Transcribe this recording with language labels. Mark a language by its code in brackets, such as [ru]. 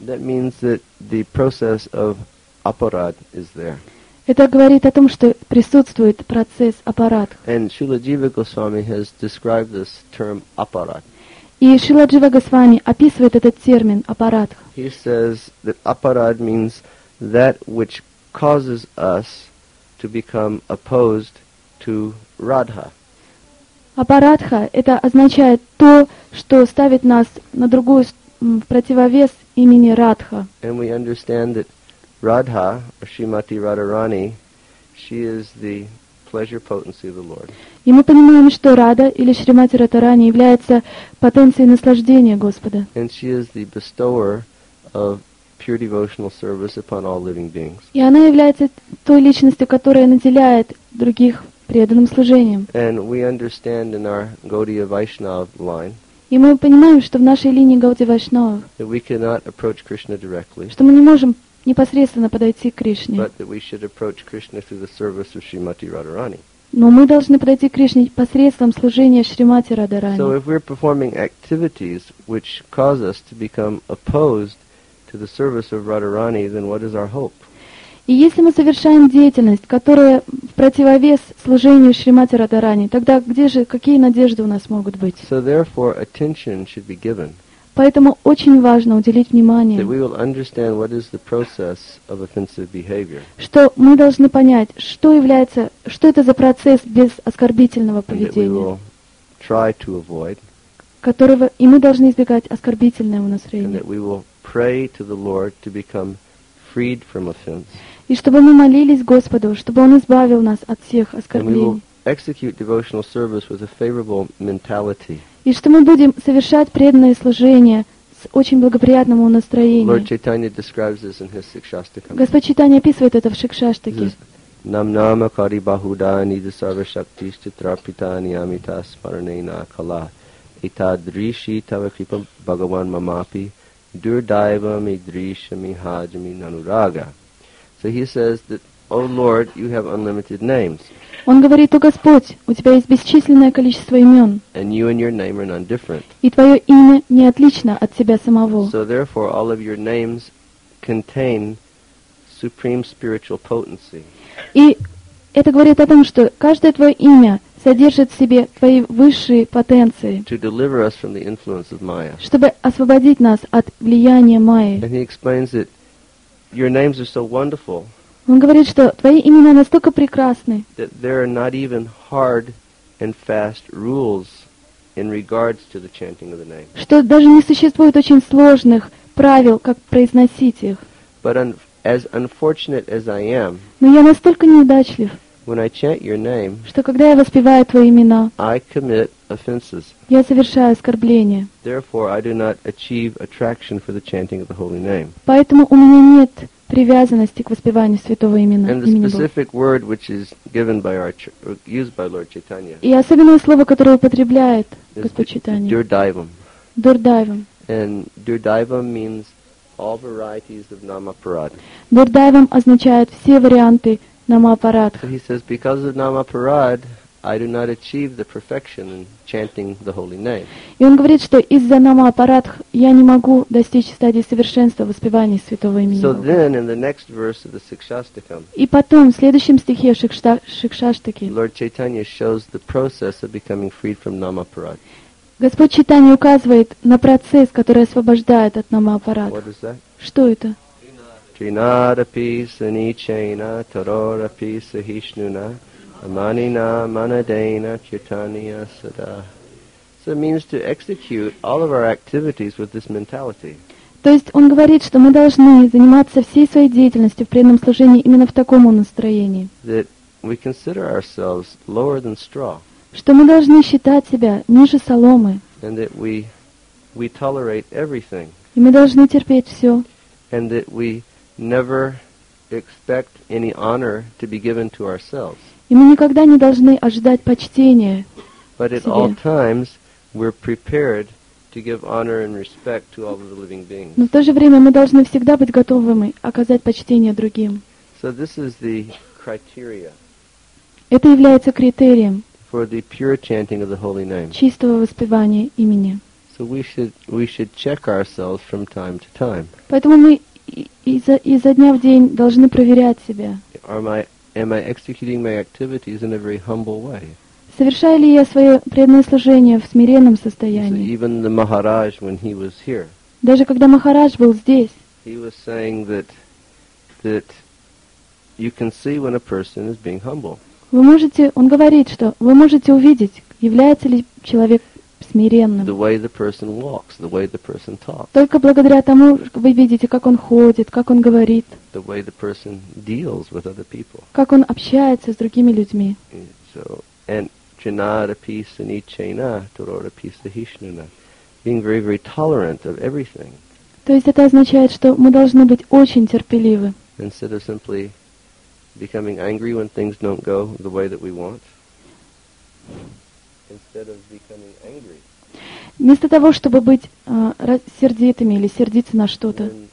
[en] That means that the process of aparad is there. [ru] Это говорит о том, что присутствует процесс аппарат. [en] And Srila Jiva Goswami has described this term aparat. [ru] И Шрила Джива Госвами описывает этот термин аппарат. [en] He says that aparat means that which causes us to become opposed to Radha. [ru] Апарадха – это означает то, что ставит нас на другую противовес имени Радха. [en] And we understand that Radha, Shrimati Radharani, she is the pleasure potency of the Lord. [ru] И мы понимаем, что Рада или Шримати Радхарани является потенцией наслаждения Господа. [en] And she is the bestower of pure devotional service upon all living beings. [ru] И она является той личностью, которая наделяет других преданным служением. [en] And we understand in our Gaudiya Vaishnav line. [ru] И мы понимаем, что в нашей линии Гаудия Вайшнава. [en] That we cannot approach Krishna directly. [ru] Что мы не можем непосредственно подойти к Кришне. [en] But that we should approach Krishna through the service of Srimati Radharani. [ru] Но мы должны подойти к Кришне посредством служения Шримати Радхарани. [en] So if we're performing activities which cause us to become opposed to the service of Radharani, then what is our hope? [ru] И если мы совершаем деятельность, которая в противовес служению Шримати Радхарани, тогда где же, какие надежды у нас могут быть? [en] So therefore, attention should be given. [ru] Поэтому очень важно уделить внимание, [en] that we will understand what is the process of offensive behavior. [ru] Что мы должны понять, что является, что это за процесс без оскорбительного поведения, [en] and that we will try to avoid, [ru] которого, и мы должны избегать оскорбительного настроения, [en] and that we will pray to the Lord to become freed from offense. [ru] И чтобы мы молились Господу, чтобы Он избавил нас от всех оскорблений. [en] And we will execute devotional service with a favorable mentality. [ru] И что мы будем совершать преданное служение с очень благоприятным настроением. Господь Чайтанья описывает это в Шикшаштаке. [sa] Нам-нама кари бахудани дасарва шакти читрапитани амита смаранейна кала итадриши тава крипа бхагаван мамапи дурдайва мидриша михаджами нанурага. [en] So he says that, O Lord, you have unlimited names. [ru] Он говорит, о Господь, у Тебя есть бесчисленное количество имен. [en] And you and your name are none different. [ru] И Твое имя не отлично от Тебя самого. [en] So therefore, all of your names contain supreme spiritual potency. [ru] И это говорит о том, что каждое Твое имя содержит в себе Твои высшие потенции. [en] To deliver us from the influence of Maya. [ru] Чтобы освободить нас от влияния Майи. [en] And he explains that your names are so wonderful. [ru] Он говорит, что твои имена настолько прекрасны, [en] that there are not even hard and fast rules in regards to the chanting of the name. [ru] Что даже не существует очень сложных правил, как произносить их. [en] But as unfortunate as I am, [ru] но я настолько неудачлив, [en] when I chant your name, [ru] что когда я воспеваю твои имена, [en] I commit offenses. [ru] Я совершаю оскорбления. [en] Therefore, I do not achieve attraction for the chanting of the holy name. [ru] Поэтому у меня нет привязанности к воспеванию святого имени. [en] And the specific word which is given by our used by Lord Chaitanya. [ru] И особенное слово, которое употребляет Господь Чайтанья. [sa] Дурдайвам. Дурдайвам. [en] And дурдайвам means all varieties of намапарад. [ru] Дурдайвам означает все варианты намапарад. [en] So he says, because of намапарад, I do not achieve the perfection in chanting the holy name. [ru] И он говорит, что из-за намапарад я не могу достичь стадии совершенства воспевания святого имени. [en] So then, in the next verse of the Shikshastakam. [ru] И потом, в следующем стихе Шикшаштаки. [en] Lord Chaitanya shows the process of becoming freed from намапарад. [ru] Господь Чайтанья указывает на процесс, который освобождает от намапарад. [en] What is that? [ru] Что это? [sa] Тринадапи санечайна тарорапи сахишнуна. Manina manadena chitaniya sada. [en] So it means to execute all of our activities with this mentality. [ru] То есть он говорит, что мы должны заниматься всей своей деятельностью в преданном служении именно в таком настроении. [en] That we consider ourselves lower than straw. [ru] Что мы должны считать себя ниже соломы. [en] And that we tolerate everything. [ru] И мы должны терпеть все. [en] And that we never expect any honor to be given to ourselves. [ru] И мы никогда не должны ожидать почтения. [en] But at all times we're prepared to give honor and respect to all of the living beings. [ru] Но в то же время мы должны всегда быть готовыми оказать почтение другим. [en] So this is the criteria. [ru] Это является критерием [en] for the pure chanting of the holy name. [ru] Чистого воспевания имени. [en] So we should check ourselves from time to time. [ru] Поэтому мы изо дня в день должны проверять себя. [en] Am I executing my activities in a very humble way? [ru] Совершаю ли я свое преданное служение в смиренном состоянии? [en] So even the Maharaj, when he was here, [ru] даже когда Махарадж был здесь, [en] he was saying that you can see when a person is being humble. [ru] Вы можете, он говорит, что вы можете увидеть, является ли человек смиренным. [en] The way the person walks, the way the person talks. [ru] Только благодаря тому, вы видите, как он ходит, как он говорит. [en] The way the person deals with other people. [ru] Как он общается с другими людьми. [en] So, and [sa] trinadapi sanichena tororapi sahishnuna, [en] being very, very tolerant of everything. [ru] То есть это означает, что мы должны быть очень терпеливы. [en] Instead of simply becoming angry when things don't go the way that we want. Instead of becoming angry. [ru] Вместо того, чтобы быть сердитыми или сердиться на что-то.